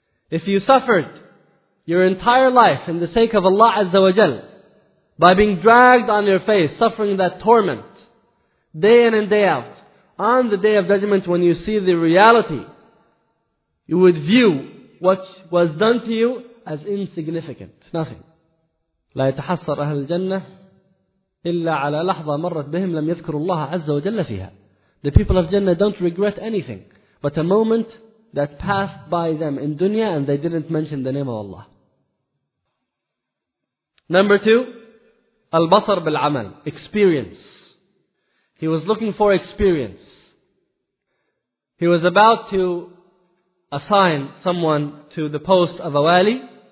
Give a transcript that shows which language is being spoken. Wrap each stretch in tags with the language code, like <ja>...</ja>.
<en>If you suffered your entire life in the sake of Allah Azza wa Jal by being dragged on your face, suffering that torment day in and day out, on the Day of Judgment when you see the reality, you would view what was done to you as insignificant, nothing.</en> <ar>لا يتحسر أهل الجنة إِلَّا عَلَى لَحْظَةً مَرَّتْ بِهِمْ لَمْ يَذْكُرُ اللَّهَ عَزَّ وَجَلَّ فِيهَا.</ar> <en>The people of Jannah don't regret anything but a moment that passed by them in dunya and they didn't mention the name of Allah. Number two, al-basar bil-amal, experience. He was looking for experience. He was about to assign someone to the post of a wali.</en>